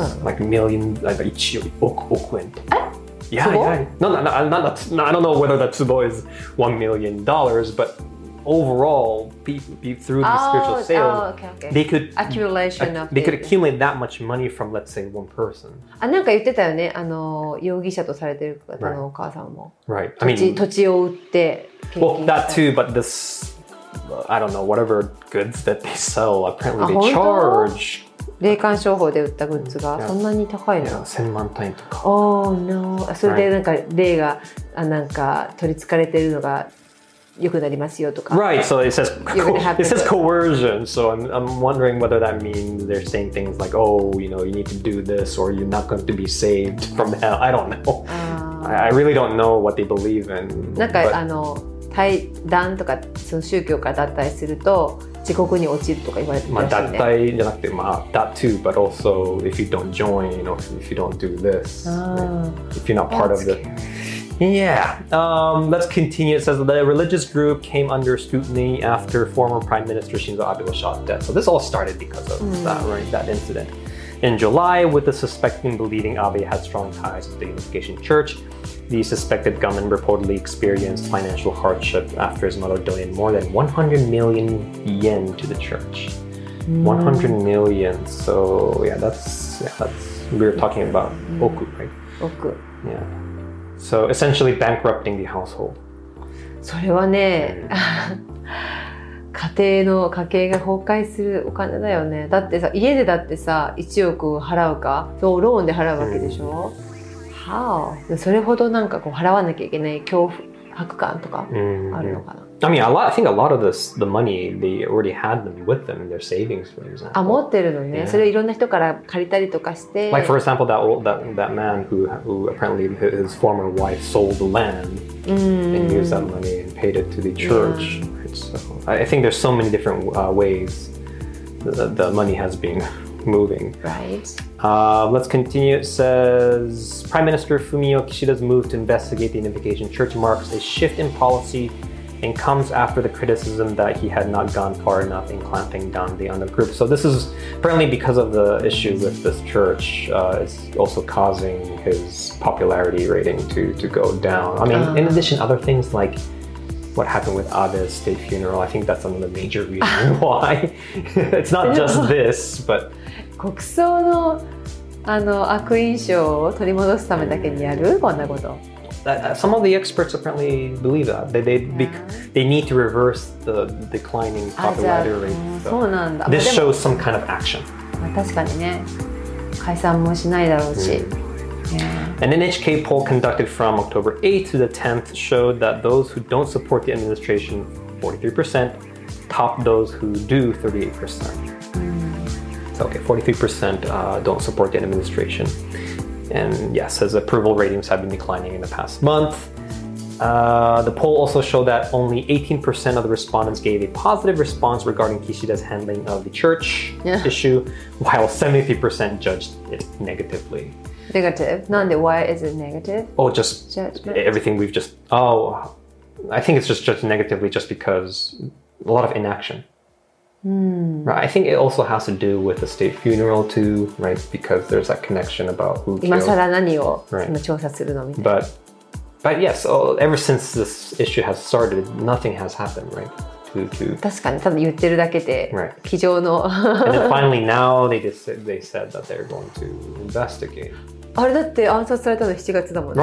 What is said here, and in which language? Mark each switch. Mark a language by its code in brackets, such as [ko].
[en] Like millions, like [ja] 1億円。 [en] Yeah, I don't know whether that tsubo is $1 million, but overall, through these spiritual sales, they could accumulate that much money from, let's say, one person. [ja] あ、なんか言ってたよね。あの、容疑者とされてる方のお母さんも。 [en] Right. I mean, [ja] 土地を売って。 [en] Well, that too, but this, I don't know, whatever goods that they sell, apparently they charge... [ja] 霊感商法で売ったグッズがそんなに高いの？千万単位とか。 [en] Oh no！ [ja] それでなんか霊がなんか取り憑かれているのが良くなりますよとか。 [en] Right, so it says coercion. So I'm wondering whether that means they're saying things like, oh, you know, you need to do this or you're not going to be saved from hell. I don't know. I really don't know what they believe in. [ja] なんか [en] but... [ja] あの対談とかその宗教から脱退すると。地獄に落ちるとか言われてるらしいね。まあ脱退じゃなくて、まあ [en] that too, but also if you don't join or if you don't do this, if you're not part of the, yeah. Let's continue. It says the religious group came under scrutiny after former Prime Minister Shinzo Abe was shot dead. So this all started because of that, right? That incident in July, with the suspecting believing Abe had strong ties with the Unification Church. The suspected gunman reportedly experienced financial hardship after his mother donated more than 100 million yen to the church. 100 million. So yeah, that's we're talking about oku, right? Oku. Yeah. So essentially bankrupting the household. [ja] それはね、家庭の家計が崩壊するお金だよね。だってさ、家でだってさ、1億払うか、そうローンで払うわけでしょ。 [en] How? [ja] それほどなんかこう払わなきゃいけない恐怖迫感とかあるのかな。 [en] I mean, I think a lot of the money they already had them with them in their savings, for example. [ja] あ、持ってるのね。 [en] Yeah. [ja] それいろんな人から借りたりとかして。 [en] Like for example, that man who apparently his former wife sold the land and used that money and paid it to the church. So I think there's so many different ways the money has been moving. Right. Let's continue. It says Prime Minister Fumio Kishida's move to investigate the Unification Church marks a shift in policy and comes after the criticism that he had not gone far enough in clamping down the other group. So this is apparently because of the issue with this church. It's also causing his popularity rating to go down. I mean, in addition, other things likeWhat happened with Abe's state funeral? I think that's another major reason why. It's not just this, but. [ja] 国葬のあの悪印象を取り戻すためだけにやるこんなこと。 [en] Some of the experts apparently believe that they need to reverse the declining popularity rate. [ja] そうなんだ。 [en] This shows some kind of action. [ja] 確かにね、解散もしないだろうし。 [en] An NHK poll conducted from October 8th to the 10th showed that those who don't support the administration, 43%, top those who do, 38%. So, okay, 43% don't support the administration. And yes, as approval ratings have been declining in the past month. The poll also showed that only 18% of the respondents gave a positive response regarding Kishida's handling of the church issue, while 73% judged it negatively. Negative? Nande, why is it negative? Or just judgment? Everything we've just... Oh, I think it's just negatively just because a lot of inaction. Mm. Right. I think it also has to do with the state funeral too, right? Because there's that connection about who killed. [ja] 今更何を調査するのみたいな。 [en] But yes, ever since this issue has started, nothing has happened, right? Right. And then finally now they said that they're going to investigate. [ja] あれだって暗殺されたの7月だもんね。